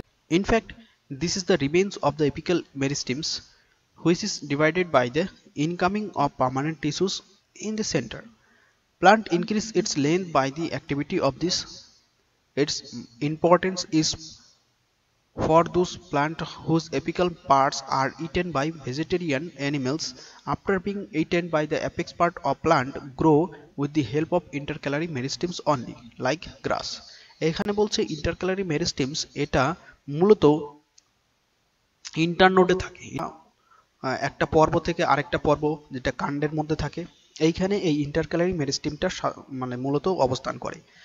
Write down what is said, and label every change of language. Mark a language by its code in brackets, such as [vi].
[en] In fact this is the remains of the apical meristems which is divided by the incoming of permanent tissues in the centre. Plant increase its length by the activity of this, its importance is For those plants whose apical parts are eaten by vegetarian animals, after being eaten by the apex part of plant, grow with the help of intercalary meristems only, like grass. [bn] এখানে বলছে intercalary meristems এটা মূলত ইন্টারনোডে থাকে, একটা পর্ব থেকে আরেকটা পর্ব যেটা কাণ্ডের মধ্যে থাকে, এইখানে এই intercalary meristemটা মানে মূলত অবস্থান করে।